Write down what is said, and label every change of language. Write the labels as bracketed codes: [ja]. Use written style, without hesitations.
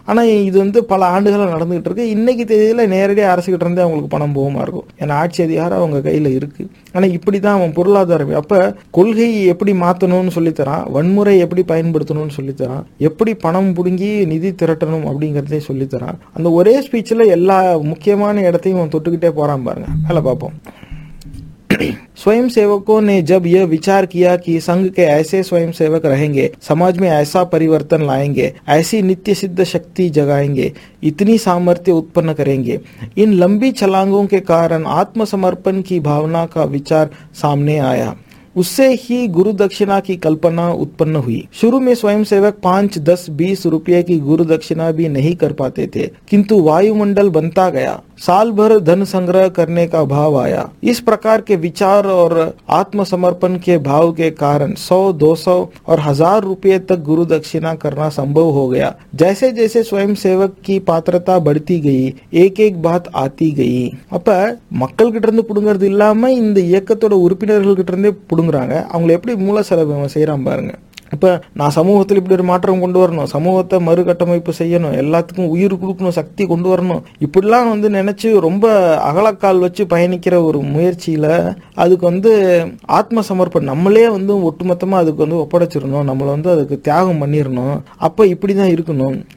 [ta] ஆனா இது வந்து பல ஆண்டுகளாக நடந்துகிட்டு இருக்கு. இன்னைக்கு தேதியில நேரடியாக அரசுகிட்ட இருந்தே அவங்களுக்கு பணம் போகமா இருக்கும், ஏன்னா ஆட்சி அதிகாரம் அவங்க கையில இருக்கு. ஆனா இப்படிதான் அவன் பொருளாதாரம். அப்ப கொள்கையை எப்படி மாத்தணும்னு சொல்லித்தரான், வன்முறை எப்படி பயன்படுத்தணும்னு சொல்லித்தரான், எப்படி பணம் புடுங்கி நிதி திரட்டணும் அப்படிங்கறதே சொல்லித்தரான். அந்த ஒரே ஸ்பீச்ல எல்லா முக்கியமான இடத்தையும் அவன் தொட்டுக்கிட்டே போறான் பாருங்க. அதில் பார்ப்போம். [hi] स्वयं सेवकों ने जब यह विचार किया कि संघ के ऐसे स्वयं सेवक रहेंगे, समाज में ऐसा परिवर्तन लाएंगे, ऐसी नित्य सिद्ध शक्ति जगाएंगे, इतनी सामर्थ्य उत्पन्न करेंगे, इन लंबी छलांगों के कारण आत्मसमर्पण की भावना का विचार सामने आया। उससे ही गुरु दक्षिणा की कल्पना उत्पन्न हुई। शुरू में स्वयं सेवक 5, 10, 20 रुपये की गुरु दक्षिणा भी नहीं कर पाते थे, किंतु वायुमंडल बनता गया। साल भर धन संग्रह करने का भाव आया। इस प्रकार के विचार और आत्मसमर्पण के भाव के कारण 100, 200 और 1000 रुपये तक गुरु दक्षिणा करना संभव हो गया। जैसे जैसे स्वयं सेवक की पात्रता बढ़ती गई, एक एक बात आती गई। [ta] अप मक्कल கிட்டிருந்து புடுங்கிறது இல்லாம இந்த இயக்கத்தோட உறுப்பினர்கள் கிட்டிருந்தே புடுங்குறாங்க. அவங்களை எப்படி மூல செலவு செய்யறாங்க பாருங்க. இப்ப நான் சமூகத்துல இப்படி ஒரு மாற்றம் கொண்டு வரணும், சமூகத்தை மறுகட்டமைப்பு செய்யணும், எல்லாத்துக்கும் உயிர் கொடுக்கணும், சக்தி கொண்டு வரணும், இப்படிலாம் வந்து நினைச்சு ரொம்ப அகலக்கால் வச்சு பயணிக்கிற ஒரு முயற்சியில அதுக்கு வந்து ஆத்மசமர்ப்பணம் நம்மளே வந்து ஒட்டுமொத்தமா அதுக்கு வந்து ஒப்படைச்சிடணும், நம்மள வந்து அதுக்கு தியாகம் பண்ணிடணும், அப்ப இப்படிதான் இருக்கணும்.